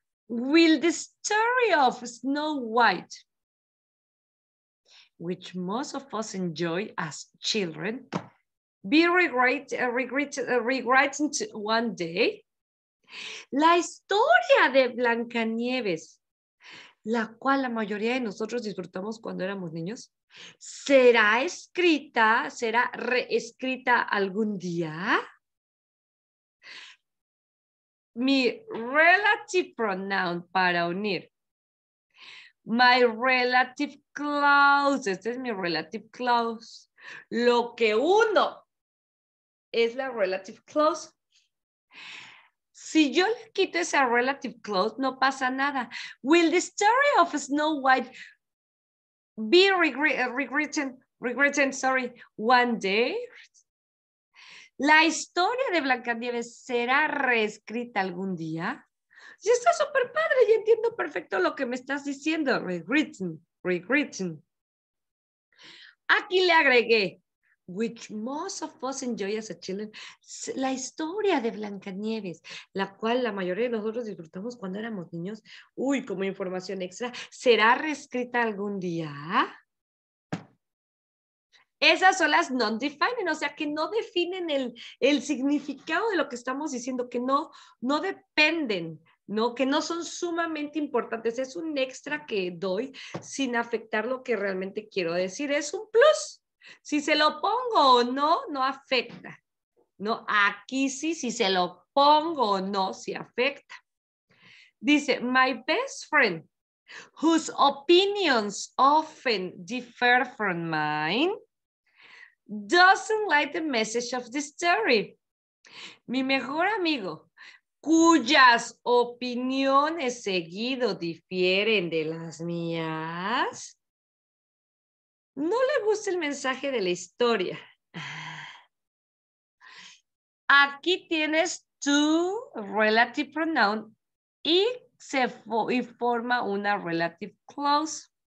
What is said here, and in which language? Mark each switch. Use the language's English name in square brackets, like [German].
[English] Will the story of Snow White, which most of us enjoy as children, be regretted one day? [Spanish] La historia de Blancanieves, la cual la mayoría de nosotros disfrutamos cuando éramos niños, será reescrita algún día. Mi relative pronoun para unir. [English] My relative clause. [Spanish] Este es mi relative clause. Lo que uno es la relative clause. Si yo le quito esa relative clause, no pasa nada. [English] Will the story of Snow White be regretted one day? [Spanish] ¿La historia de Blancanieves será reescrita algún día? Ya está súper padre y entiendo perfecto lo que me estás diciendo. Regretting. Aquí le agregué, [English] which most of us enjoy as a children, [Spanish] la historia de Blancanieves, la cual la mayoría de nosotros disfrutamos cuando éramos niños, como información extra, ¿será reescrita algún día? Esas son las non-defining, o sea, que no definen el significado de lo que estamos diciendo, que no dependen, ¿no? Que no son sumamente importantes. Es un extra que doy sin afectar lo que realmente quiero decir. Es un plus. Si se lo pongo o no, no afecta. No, aquí sí, si se lo pongo o no, sí afecta. [English] Dice, my best friend, whose opinions often differ from mine, doesn't like the message of the story. [Spanish] Mi mejor amigo, cuyas opiniones seguido difieren de las mías, no le gusta el mensaje de la historia. Aquí tienes tu relative pronoun y forma una relative clause.